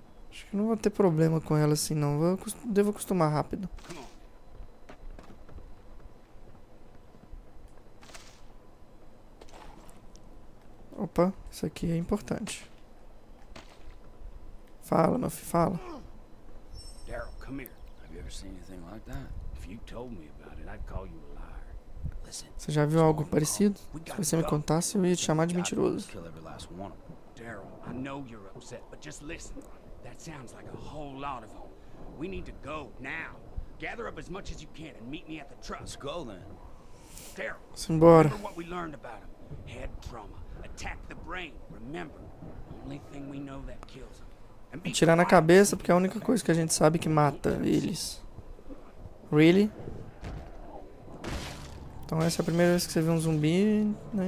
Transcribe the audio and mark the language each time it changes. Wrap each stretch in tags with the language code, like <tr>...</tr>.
<pt>Acho que não vou ter problema com ela assim, não. Devo acostumar rápido. Opa, isso aqui é importante. Fala, meu filho, fala.</pt> <en>Daryl, come here. Have you ever seen anything like that? If you told me about it, I'd call you a liar. Listen,</en> <pt>você já viu algo parecido? Se você me contasse, eu ia te chamar de mentiroso.</pt> <en>Daryl, I know you're upset, but just listen. That sounds like a whole lot of them. We need to go now. Gather up as much as you can and meet me at the truck. Let's go then. Daryl,</en> <pt>simbora.</pt> <en>Remember what we learned about him. Head trauma. Attack the brain. Remember, the only thing we know that kills him.</en> <pt>Atirar na cabeça, porque é a única coisa que a gente sabe que mata eles.</pt> <en>Really?</en> <pt>Então essa é a primeira vez que você vê um zumbi, né?</pt>